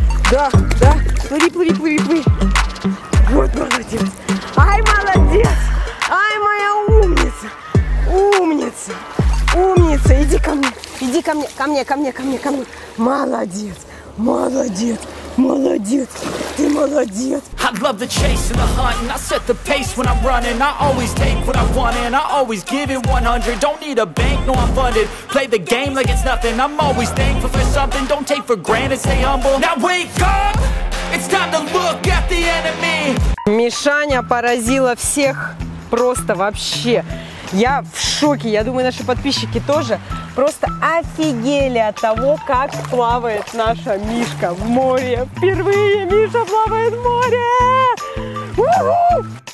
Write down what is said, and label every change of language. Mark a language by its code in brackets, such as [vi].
[ru] Да, да, плыви, плыви, плыви, плыви. Вот, молодец. Ай, молодец. Ай, моя умница. Умница, умница, иди ко мне, ко мне, ко мне, ко мне, ко мне. Молодец, молодец, молодец, ты молодец. [en] I love the chase and the hunt, and I set the pace when I'm running. I always take what I want, and I always give it 100. Don't need a bank, no, I'm funded. Play the game like it's nothing. I'm always thankful for something. Don't take for granted, stay humble. Now wake up, it's time to look at the enemy. [ru] Мишаня поразила всех просто вообще. Я в шоке, я думаю, наши подписчики тоже просто офигели от того, как плавает наша Мишка в море. Впервые Миша плавает в море! У-ху!